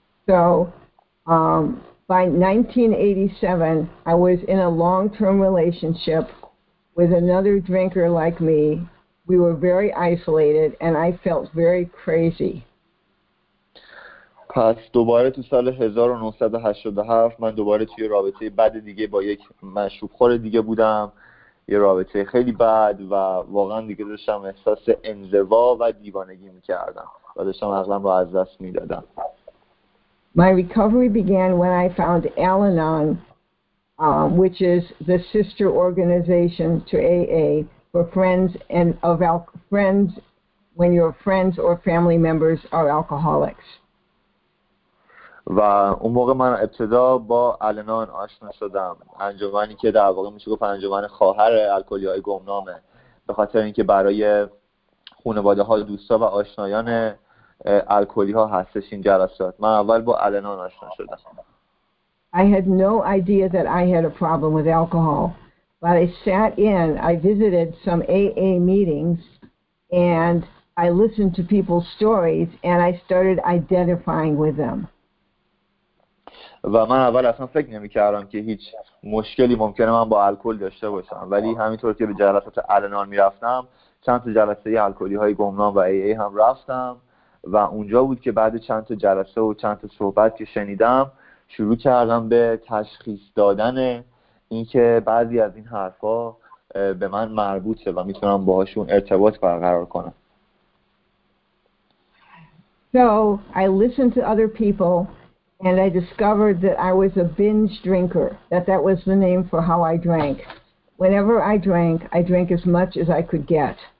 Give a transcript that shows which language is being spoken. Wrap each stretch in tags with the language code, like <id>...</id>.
<en>So, by 1987, I was in a long-term relationship with another drinker like me. We were very isolated and I felt very crazy.</en> <fa>پس دوباره تو سال 1987 من دوباره توی رابطه بد دیگه با یک مشروبخور دیگه بودم. یه رابطه خیلی بد و واقعا دیگه داشتم احساس انزوا و دیوانگی میکردم و داشتم عقلم رو از دست میدادم.</fa> <en>My recovery began when I found Al-Anon, which is the sister organization to AA for friends and of friends when your friends or family members are alcoholics.</en> <fa>و اون موقع من ابتدا با النان آشنا شدم، انجمنی که در واقع میشه گفت انجمن خواهر الکلی های گمنامه، به خاطر اینکه برای خانواده ها، دوستا و آشنایان الکلی ها هستش این جلسات. من اول با النان آشنا شدم.</fa> <en>I had no idea that I had a problem with alcohol, but I sat in, I visited some AA meetings and I listened to people's stories and I started identifying with them.</en> <fa>و من اول اصلا فکر نمی کردم که هیچ مشکلی ممکنه من با الکل داشته باشم، ولی همینطور که به جلسات النان می رفتم چند تا جلسه الکلی های گمنام و AA هم رفتم و اونجا بود که بعد چند تا جلسه و چند تا صحبت که شنیدم شروع کردم به تشخیص دادن اینکه بعضی از این حرفا به من مربوطه و میتونم باهاشون ارتباط برقرار کنم.</fa> <en>So I listened to other people and I discovered that I was a binge drinker, that was the name for how I drank. Whenever I drank as much as I could get.</en>